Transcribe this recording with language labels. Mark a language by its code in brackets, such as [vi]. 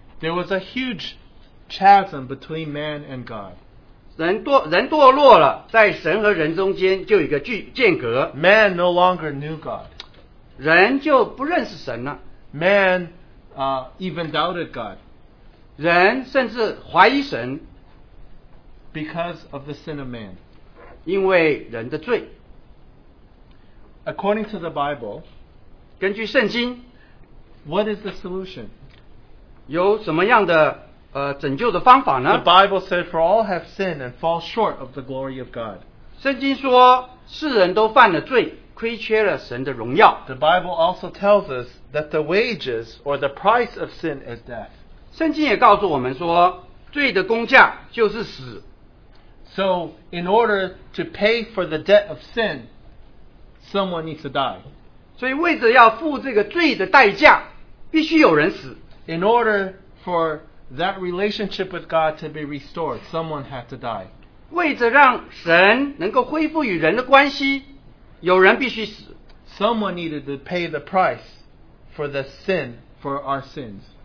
[en] there was a huge chasm between man and God. [zh] 人堕落了,在神和人中间就有一个间隔。 [en] Man no longer knew God. [zh] 人就不认识神了。 [en] Man even doubted God. [zh] 人甚至怀疑神。 [en] Because of the sin of man. [zh] 因为人的罪。 [en] According to the Bible, [zh] 根据圣经, [en] what is the solution? [zh] 有什么样的, 拯救的方法呢? [en] The Bible said, for all have sinned and fall short of the glory of God. [zh] 圣经说, 世人都犯了罪, 亏缺了神的荣耀。 [en] The Bible also tells us that the wages or the price of sin is death. [zh] 圣经也告诉我们说, 罪的工价就是死。 [en] So, in order to pay for the debt of sin, someone needs to die. [zh] 所以为着要付这个罪的代价, 必须有人死。 [en] In order for that relationship with God to be restored, someone had to die. [zh] 为着让神能够恢复与人的关系, 有人必须死。 [en] Someone needed to pay the price for the sin, for our sins.